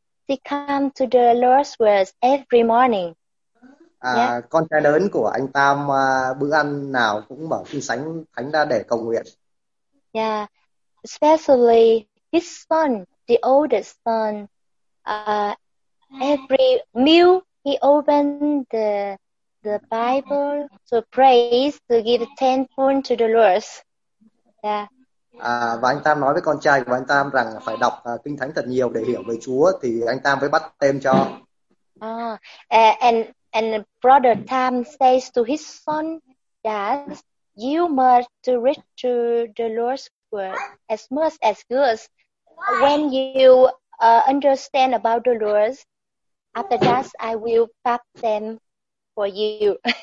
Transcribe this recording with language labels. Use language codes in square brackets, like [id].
[en] She come to the Lord's words every morning. [vi] Con trai lớn của anh Tam bữa ăn nào cũng mở kinh thánh ra để cầu nguyện. [en] Yeah, especially his son, the oldest son. Every meal he opened the Bible to praise, to give thankful to the Lord. [vi] Và anh Tam nói với con trai của anh Tam rằng phải đọc kinh thánh thật nhiều để hiểu về Chúa thì anh Tam mới bắt tên cho. [en] And brother Tam says to his son that you must to read to the Lord's word as much as good when you understand about the Lord. After that, I will baptize them for you.